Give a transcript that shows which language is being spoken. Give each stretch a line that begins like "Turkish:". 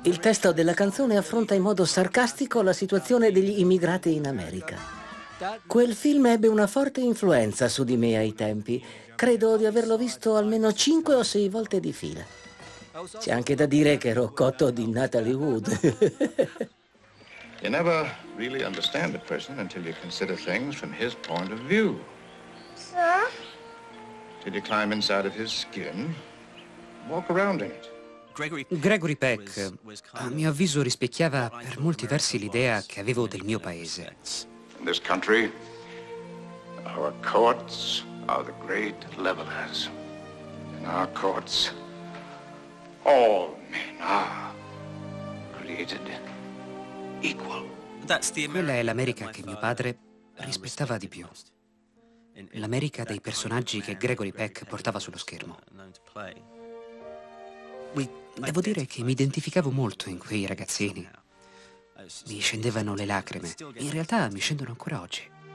Italian: Il testo della canzone affronta in modo sarcastico la situazione degli immigrati in America. Quel film ebbe una forte influenza su di me ai tempi. Credo di averlo visto almeno 5 o 6 volte di fila. C'è anche da dire che ero cotto di Natalie Wood.
English: You never really understand a person until you consider things from his point of view. Sir? Till you climb inside of his skin, walk around in it.
Italian: Gregory Peck, a mio avviso, rispecchiava per molti versi l'idea che avevo del mio paese.
English: In this country, our courts are the great levelers. In our courts, all men are created equal.
Italian: Quella è l'America che mio padre rispettava di più. L'America dei personaggi che Gregory Peck portava sullo schermo. Devo dire che mi identificavo molto in quei ragazzini. Mi scendevano le lacrime. In realtà mi scendono ancora oggi.